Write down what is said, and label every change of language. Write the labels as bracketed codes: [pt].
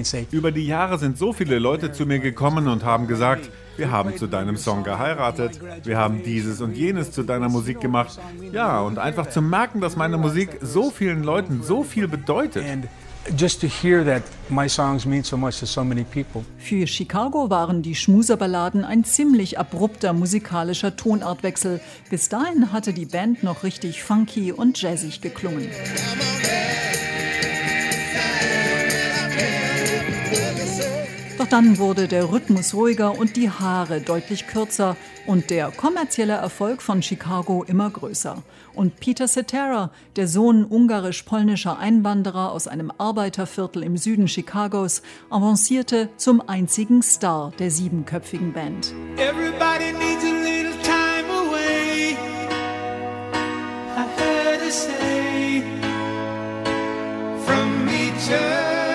[de] Über die Jahre sind so viele Leute zu mir gekommen und haben gesagt, wir haben zu deinem Song geheiratet, wir haben dieses und jenes zu deiner Musik gemacht. Ja, und einfach zu merken, dass meine Musik so vielen Leuten so viel bedeutet. [en] Just to hear that my songs mean so much to so many people. [de] Für Chicago waren die Schmuserballaden ein ziemlich abrupter musikalischer Tonartwechsel. Bis dahin hatte die Band noch richtig funky und jazzig geklungen. Doch dann wurde der Rhythmus ruhiger und die Haare deutlich kürzer und der kommerzielle Erfolg von Chicago immer größer. Und Peter Cetera, der Sohn ungarisch-polnischer Einwanderer aus einem Arbeiterviertel im Süden Chicagos, avancierte zum einzigen Star der siebenköpfigen Band. [en] Everybody needs a little time away. I heard a say from each other.